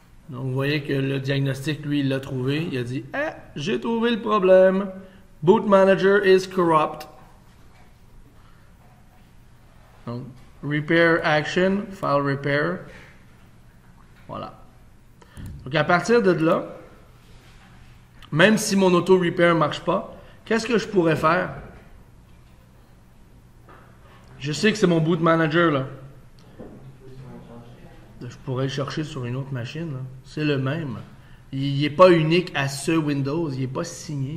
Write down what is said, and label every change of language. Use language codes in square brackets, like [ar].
[fr] Que le diagnostic, lui, il l'a trouvé. Il a dit, j'ai trouvé le problème. [en] Boot manager is corrupt. [fr] Donc, [en] repair action, file repair. [fr] Voilà. Donc, à partir de là, même si mon auto-repair ne marche pas, qu'est-ce que je pourrais faire? Je sais que c'est mon boot manager, là. Je pourrais le chercher sur une autre machine. Là. C'est le même. Il n'est pas unique à ce Windows. Il n'est pas signé.